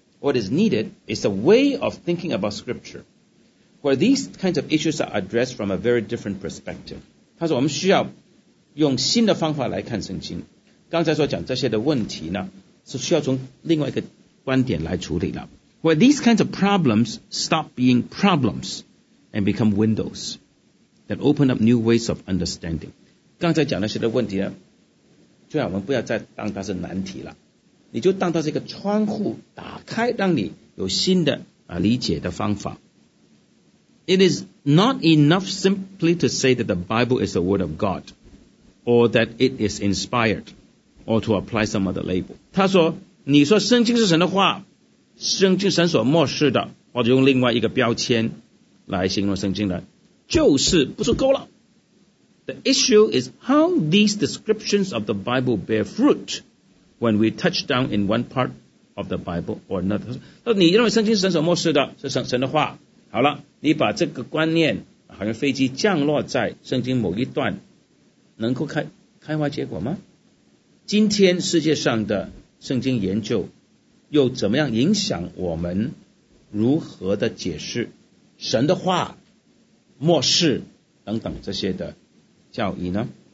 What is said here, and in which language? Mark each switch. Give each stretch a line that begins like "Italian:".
English: What is needed is a way of thinking about scripture where these kinds of issues are addressed from a very different perspective。
Chinese: 他说我们需要用新的方法来看圣经，刚才所讲这些的问题呢，是需要从另外一个观点来处理了。
English: Where these kinds of problems stop being problems and become windows that open up new ways of understanding。
Chinese: 刚才讲那些的问题呢，最好我们不要再当它是难题了，你就当它是一个窗户打开，让你有新的理解的方法。
English: It is not enough simply to say that the Bible is the word of God or that it is inspired or to apply some other label。
Chinese: 他说你说圣经是神的话，圣经神所默示的，或者用另外一个标签来形容圣经的，就是不是够了。
English: The issue is how these descriptions of the Bible bear fruit when we touch down in one part of the Bible or another。
Chinese: 他说你认为圣经是神所默示的，是 神的话，好了，你把这个观念好像飞机降落在圣经某一段，能够开花结果吗？今天世界上的圣经研究又怎么样影响我们如何的解释神的话、末世等等这些的教义呢？